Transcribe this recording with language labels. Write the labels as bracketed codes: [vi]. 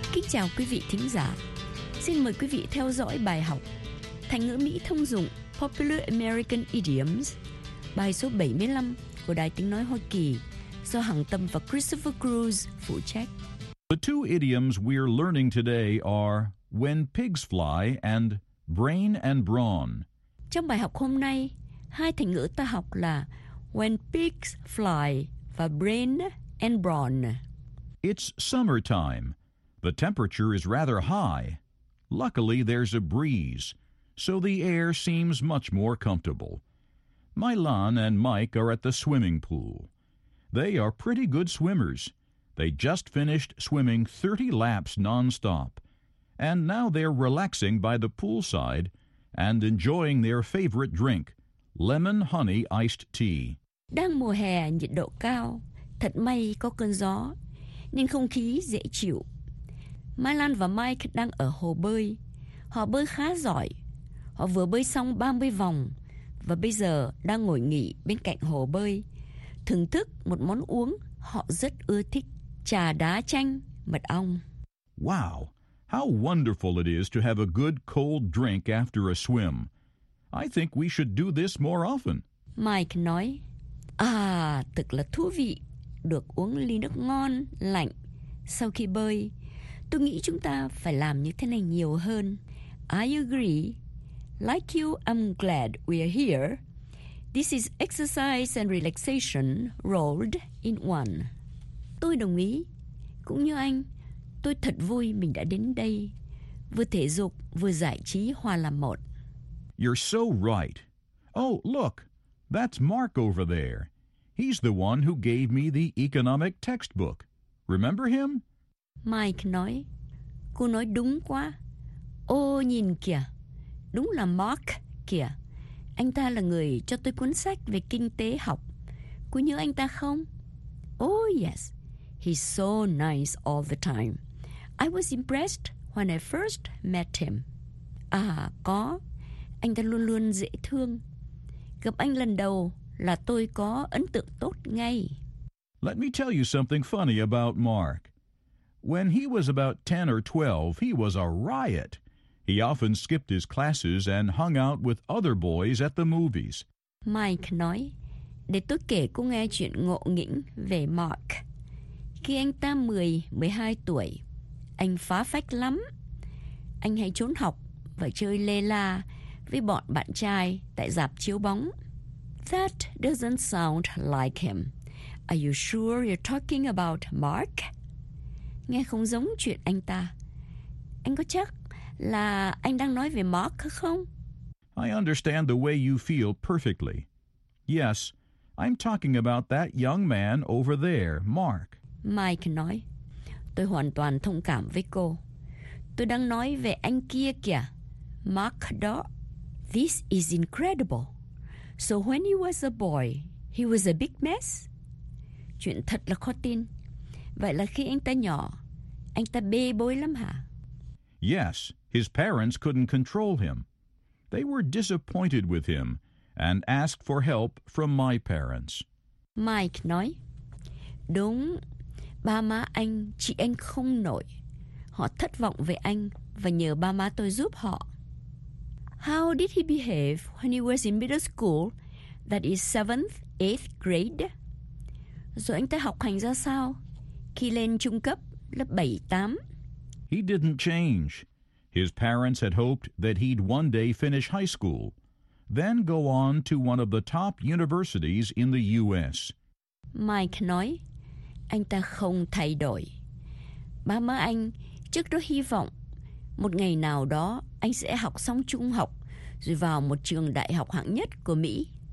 [vi] Chào quý vị thính giả. Xin mời quý vị theo dõi bài học Thành ngữ Mỹ thông dụng [en] Popular American Idioms, [vi] bài số 75 của Đài Tiếng Nói Hoa Kỳ do Hằng Tâm và Christopher Cruz phụ trách. [en] The two idioms we're learning today are when pigs fly and brain and brawn. [vi] Trong bài học hôm nay, hai thành ngữ ta học là [en] when pigs fly [vi] và [en] brain and brawn. It's summertime. The temperature is rather high. Luckily, there's a breeze, so the air seems much more comfortable. Milan and Mike are at the swimming pool. They are pretty good swimmers. They just finished swimming 30 laps nonstop, and now they're relaxing by the poolside and enjoying their favorite drink, lemon honey iced tea. [vi] Đang mùa hè, nhiệt độ cao. Thật may có cơn gió, nên không khí dễ chịu. Milan và Mike đang ở hồ bơi. Họ bơi khá giỏi. Họ vừa bơi xong 30 vòng và bây giờ đang ngồi nghỉ bên cạnh hồ bơi, thưởng thức một món uống họ rất ưa thích, trà đá chanh mật ong. [en] Wow, how wonderful it is to have a good cold drink after a swim. I think we should do this more often. [vi] Mike nói, à, thật là thú vị được uống ly nước ngon, lạnh sau khi bơi. Tôi nghĩ chúng ta phải làm như thế này nhiều hơn. [en] I agree. Like you, I'm glad we are here. This is exercise and relaxation rolled in one. [vi] Tôi đồng ý. Cũng như anh, Tôi thật vui mình đã đến đây, vừa thể dục, vừa giải trí hòa làm một. [en] You're so right. Oh, look, that's Mark over there. He's the one who gave me the economic textbook. Remember him? [vi] Mike nói, cô nói đúng quá. Ôi, nhìn kìa, đúng là Mark kìa. Anh ta là người cho tôi cuốn sách về kinh tế học. Cô nhớ anh ta không? [en] Oh, yes. He's so nice all the time. I was impressed when I first met him. [vi] À, có. Anh ta luôn luôn dễ thương. Gặp anh lần đầu là tôi có ấn tượng tốt ngay. [en] Let me tell you something funny about Mark. When he was about 10 or 12, he was a riot. He often skipped his classes and hung out with other boys at the movies. [vi] Mike nói, để tôi kể cô nghe chuyện ngộ nghĩnh về Mark. Khi anh ta 10, 12 tuổi, anh phá phách lắm. Anh hay trốn học và chơi lê la với bọn bạn trai tại rạp chiếu bóng. [en] That doesn't sound like him. Are you sure you're talking about Mark? [vi] Nghe không giống chuyện anh ta. Anh có chắc là anh đang nói về Mark không? [en] I understand the way you feel perfectly. Yes, I'm talking about that young man over there, Mark. [vi] Mike nói, tôi hoàn toàn thông cảm với cô. Tôi đang nói về anh kia kìa, Mark đó. [en] This is incredible. So when he was a boy, he was a big mess? [vi] Chuyện thật là khó tin. Vậy là khi anh ta nhỏ, anh ta bê bối lắm hả? [en] Yes, his parents couldn't control him. They were disappointed with him and asked for help from my parents. [vi] Mike nói, đúng, ba má anh, chị anh không nổi. Họ thất vọng về anh và nhờ ba má tôi giúp họ. [en] How did he behave when he was in middle school, that is 7th, 8th grade? [vi] Rồi anh ta học hành ra sao khi lên trung cấp lớp 7, 8? [en] He didn't change. His parents had hoped that he'd one day finish high school, then go on to one of the top universities in the U.S. [vi] Mike nói, anh ta không thay đổi. Ba má anh trước đó hy vọng một ngày nào đó anh sẽ học xong trung học rồi vào một trường đại học hạng nhất của Mỹ.